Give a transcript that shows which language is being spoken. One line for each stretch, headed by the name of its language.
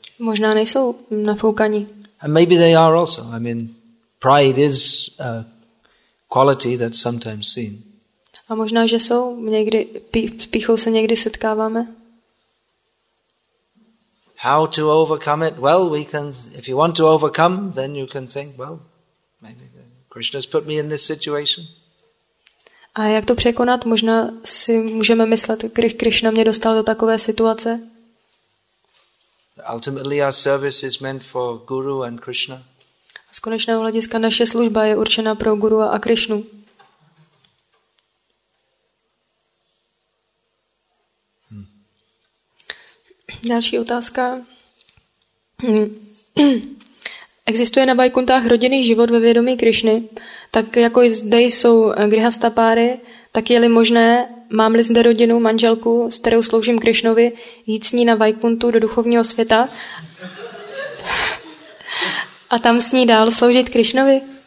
Czech: Možná nejsou nafoukaní.
English: And maybe they are also. I mean, pride is a quality that's sometimes seen.
Czech: A možná, že jsou. Někdy, s pýchou se někdy setkáváme.
English: How to overcome it? Well, we can. If you want to overcome, then you can think, well, maybe Krishna's put me in this situation.
Czech: A jak to překonat? Možná si můžeme myslet, když Krishna mě dostal do takové situace.
English: Ultimately our service is meant for Guru and Krishna.
Czech: Z konečného hlediska naše služba je určena pro Guru a Krishnu. Další otázka. Existuje na Vaikuntách rodinný život ve vědomí Krishny, tak jako zde jsou grihastha páry, tak je-li možné, mám-li zde rodinu, manželku, s kterou sloužím Krishnovi, jít s ní na Vaikuntu do duchovního světa a tam s ní dál sloužit Krishnovi?